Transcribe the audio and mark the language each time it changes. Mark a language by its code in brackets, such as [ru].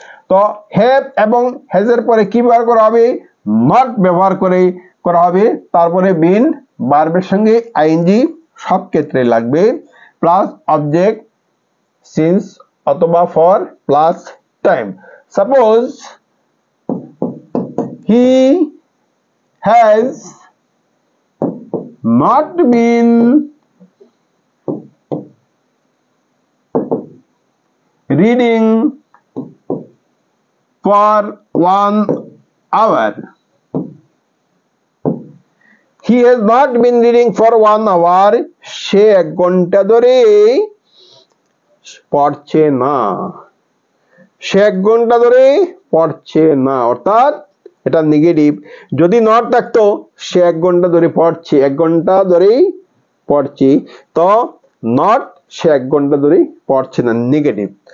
[bn] তো হ্যাভ এবং হ্যাজ এর পরে কি ব্যবহার করা হবে, নট ব্যবহার করে করা হবে, তারপরে বিন, বার্বের সঙ্গে আইএনজি সব ক্ষেত্রে লাগবে, প্লাস অবজেক্ট সিন্স অথবা for plus time. [en] Suppose he has not been reading for 1 hour. He has not been reading for 1 hour. [bn] সে এক ঘন্টা ধরে পড়ছে না, সে এক ঘন্টা ধরে পড়ছে না, অর্থাৎ এটা নেগেটিভ। যদি নট থাকতো, সে এক ঘন্টা ধরে পড়ছে, এক ঘন্টা ধরেই পড়ছি, তো নট, সে এক ঘন্টা ধরে পড়ছে না, নেগেটিভ।